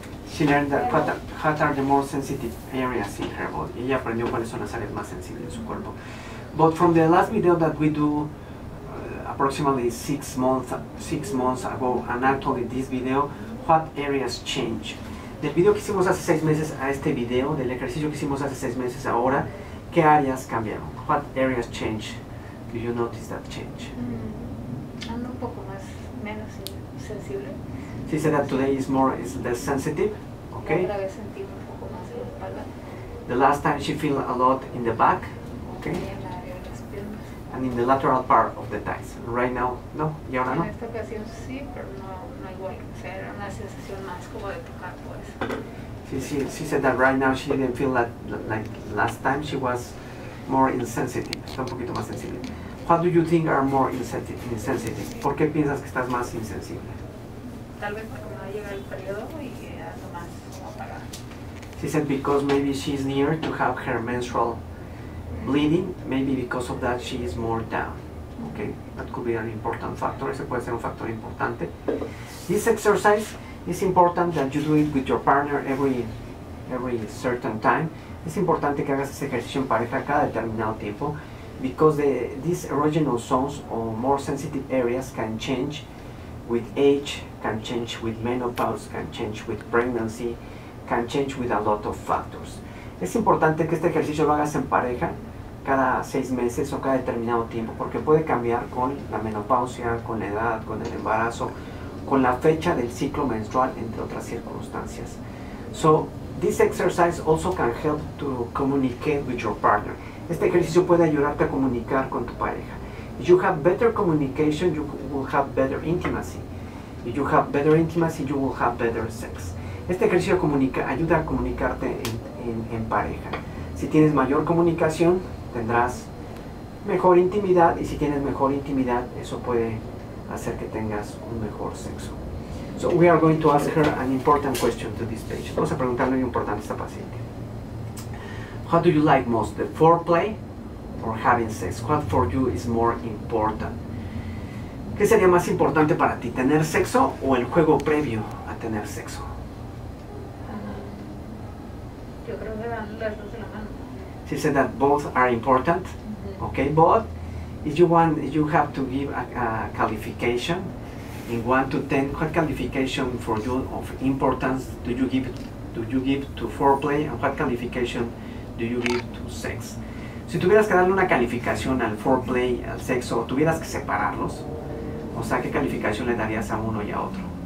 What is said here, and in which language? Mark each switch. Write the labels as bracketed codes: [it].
[en] She learned that what are the more sensitive areas in her body. [es] Ella aprendió cuáles son las áreas más sensibles en su cuerpo. [en] But from the last video that we do approximately six months ago, and actually this video, what areas change? [es] Del video que hicimos hace 6 meses a este video, del ejercicio que hicimos hace 6 meses ahora, ¿qué áreas cambiaron? [en] What areas change? Do you notice that change? [es] Ando un poco más, menos sensible. [en] She said that today is less sensitive. Okay. [es] La otra vez sentí un poco más en la espalda. [en] The last time she feel a lot in the back. Okay. [es] En la área de las piernas. [en] And in the lateral part of the thighs. Right now, no. [es] ¿Y ahora no? En esta ocasión sí, pero no igual. O sea, era una sensación más como de tocar, pues. [en] She said that right now she didn't feel like last time. She was more insensitive. [es] Está un poquito más sensible. [en] What do you think are more insensitive? [es] ¿Por qué piensas que estás más insensible? Tal vez porque me va a llegar el periodo y ando más como apagada. [en] She said because maybe she's near to have her menstrual bleeding. Maybe because of that she is more down. Okay, that could be an important factor. [es] Ese puede ser un factor importante. [en] This exercise, it's important that you do it with your partner every certain time. [es] Es importante que hagas ese ejercicio en pareja cada determinado tiempo, [en] because these erogenous zones or more sensitive areas can change with age, can change with menopause, can change with pregnancy, can change with a lot of factors. [es] Es importante que este ejercicio lo hagas en pareja cada 6 meses o cada determinado tiempo, porque puede cambiar con la menopausia, con la edad, con el embarazo, con la fecha del ciclo menstrual, entre otras circunstancias. [en] So, this exercise also can help to communicate with your partner. [es] Este ejercicio puede ayudarte a comunicar con tu pareja. [en] If you have better communication, you will have better intimacy. If you have better intimacy, you will have better sex. [es] Este ejercicio ayuda a comunicarte en pareja. Si tienes mayor comunicación, tendrás mejor intimidad, y si tienes mejor intimidad, eso puede hacer que tengas un mejor sexo. [en] So we are going to ask her an important question to this patient. [es] Vamos a preguntarle muy importante a esta paciente. [en] What do you like most, the foreplay or having sex? What for you is more important? [es] ¿Qué sería más importante para ti, tener sexo o el juego previo a tener sexo? Yo creo que van las dos de la mano. [en] She said that both are important. Mm-hmm. Okay, but you have to give a qualification in 1 to 10. What qualification for you of importance do you give to foreplay, and what qualification do you give to sex? [es] Si tuvieras que darle una calificación al foreplay, al sexo, tuvieras que separarlos, o sea, ¿qué calificación le darías a uno y a otro?